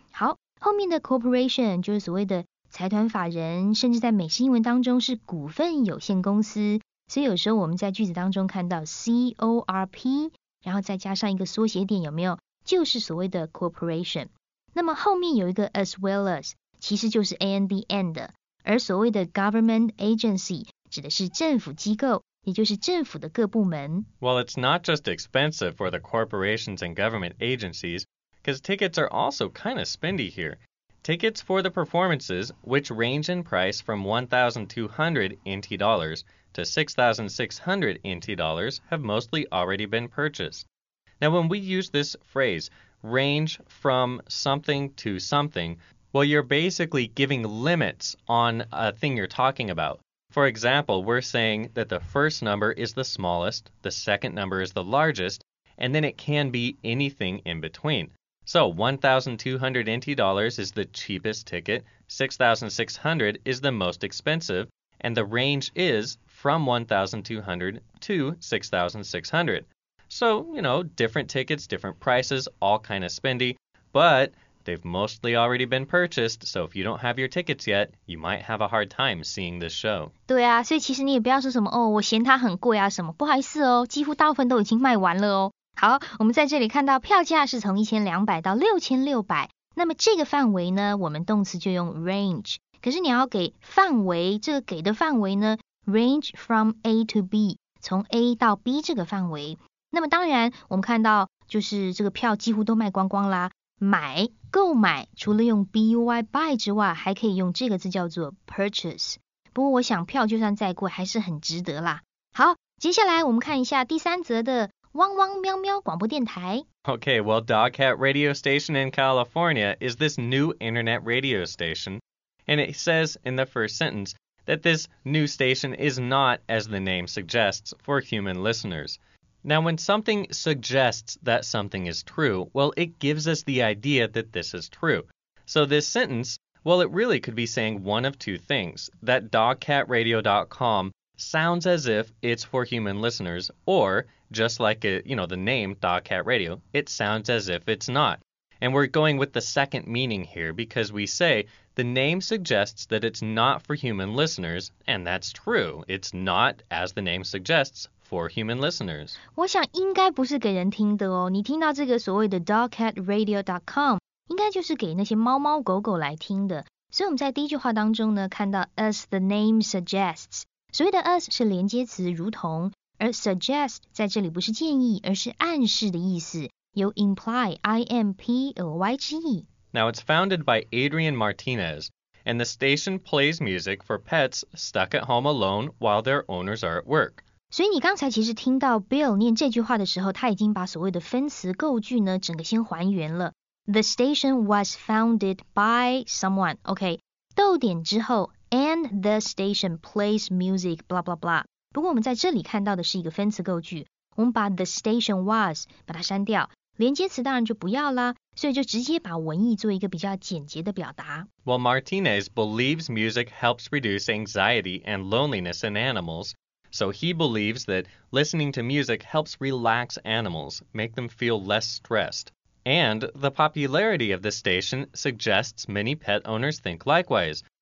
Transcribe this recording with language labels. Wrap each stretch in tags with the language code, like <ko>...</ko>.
<zh>好，后面的 corporation 就是所谓的财团法人，甚至在美式英文当中是股份有限公司，所以有时候我们在句子当中看到 CORP 然后再加上一个缩写点，有没有，就是所谓的 corporation。那么后面有一个</zh> <en>as well as，</en> <zh>其实就是 and and， 而所谓的</zh> <en>government agency</en> <zh>指的是政府机构，也就是政府的各部门。</zh> <en>Well, it's not just expensive for the corporations and government agencies, because tickets are also kind of spendy here. Tickets for the performances, which range in price from 1,200 NT dollars to 6,600 NT dollars, have mostly already been purchased. Now, when we use this phrase, range from something to something, well, you're basically giving limits on a thing you're talking about. For example, we're saying that the first number is the smallest, the second number is the largest, and then it can be anything in between. So 1,200 NT dollars is the cheapest ticket, 6,600 is the most expensive, and the range is from 1,200 to 6,600. So, you know, different tickets, different prices, all kind of spendy, but they've mostly already been purchased, so if you don't have your tickets yet, you might have a hard time seeing this show.</en> <zh>对啊，所以其实你也不要说什么哦，我嫌它很贵啊什么，不好意思哦，几乎大部分都已经卖完了哦。好，我们在这里看到票价是从1200到6600，那么这个范围呢，我们动词就用 range， 可是你要给范围，这个给的范围呢，</zh> <en>range from A to B，</en> <zh>从 A 到 B 这个范围。那么当然我们看到就是这个票几乎都卖光光啦，买，购买，除了用 buy buy 之外，还可以用这个字叫做 purchase， 不过我想票就算再贵还是很值得啦。好，接下来我们看一下第三则的汪汪喵喵广播电台。</zh> <en>Okay, well, Dogcat Radio Station in California is this new internet radio station, and it says in the first sentence that this new station is not, as the name suggests, for human listeners. Now, when something suggests that something is true, well, it gives us the idea that this is true. So this sentence, well, it really could be saying one of two things, that dogcatradio.com sounds as if it's for human listeners, or just like, you know, the name Dogcat Radio, it sounds as if it's not. And we're going with the second meaning here because we say the name suggests that it's not for human listeners, and that's true. It's not, as the name suggests, for human listeners.</en> <zh>我想应该不是给人听的哦。你听到这个所谓的 dogcatradio.com 应该就是给那些猫猫狗狗来听的。所以我们在第一句话当中呢，看到</zh> <en>as the name suggests，</en> <zh>所谓的 as 是连接词如同，而 suggest 在这里不是建议，而是暗示的意思，有 imply, I-M-P-L-Y-G-E.</zh> <en>Now it's founded by Adrian Martinez, and the station plays music for pets stuck at home alone while their owners are at work.</en> <zh>所以你刚才其实听到 Bill 念这句话的时候，他已经把所谓的分词构句呢整个先还原了。</zh> <en>The station was founded by someone, OK,</en> <zh>逗点之后</zh> <en>and the station plays music, blah blah blah.</en> <zh>不过我们在这里看到的是一个分词构句，我们把 the station was 把它删掉，连接词当然就不要啦，所以就直接把文意做一个比较简洁的表达。</zh> <en>Well, Martinez believes music helps reduce anxiety and loneliness in animals, so he believes that listening to music helps relax animals, make them feel less stressed. And the popularity of the station suggests many pet owners think likewise.</en>